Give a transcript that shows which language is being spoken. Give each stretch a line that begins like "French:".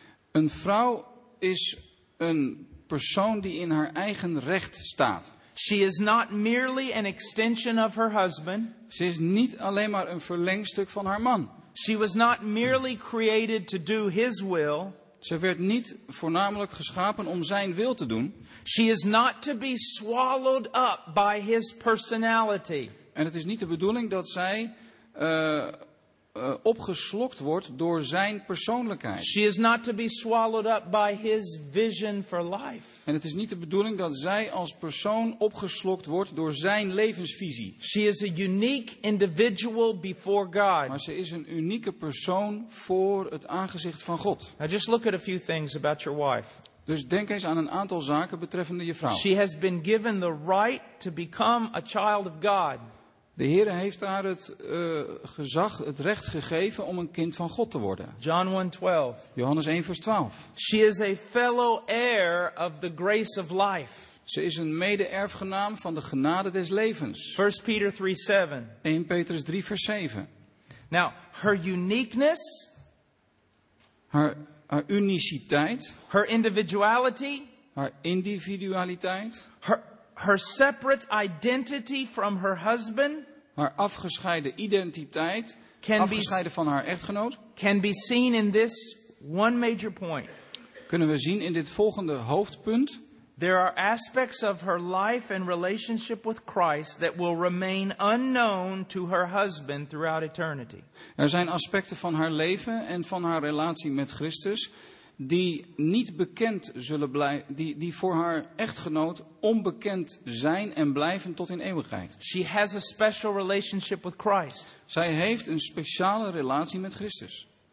Dutch: Een vrouw is een persoon die in haar eigen recht staat.
English: She is not merely an extension of her husband.
Dutch: Ze is niet alleen maar een verlengstuk van haar man.
English: She was not merely created to do his will.
Dutch: Ze werd niet voornamelijk geschapen om zijn wil te doen.
English: She is not to be swallowed up by his personality.
Dutch: En het is niet de bedoeling dat zij opgeslokt wordt door zijn persoonlijkheid.
English: She is not to be swallowed up by his vision for life.
Dutch: En het is niet de bedoeling dat zij als persoon opgeslokt wordt door zijn levensvisie.
English: She is a unique individual before God.
Dutch: Maar ze is een unieke persoon voor het aangezicht van God.
English: Now just look at a few things about your wife.
Dutch: Dus denk eens aan een aantal zaken betreffende je vrouw.
English: She has been given the right to become a child of God.
Dutch: De Heer heeft haar het gezag, het recht gegeven om een kind van God te worden. Johannes 1 vers 12.
English: She is a fellow heir of the grace of life.
Dutch: Ze is een mede-erfgenaam van de genade des levens. 1 Petrus 3 vers 7.
English: Now, her uniqueness,
Dutch: haar uniciteit,
English: her individuality,
Dutch: haar individualiteit,
English: her separate identity from her husband,
Dutch: haar afgescheiden identiteit, afgescheiden van haar echtgenoot,
English: can be seen in this one major point.
Dutch: Kunnen we zien in dit volgende hoofdpunt.
English: There are aspects of her life and relationship with Christ that will remain unknown to her husband throughout eternity.
Dutch: Er zijn aspecten van haar leven en van haar relatie met Christus die niet bekend zullen blijven, die voor haar echtgenoot onbekend zijn en blijven tot in eeuwigheid.
English: She has a special relationship with Christ.
Dutch: Zij heeft een speciale relatie met Christus.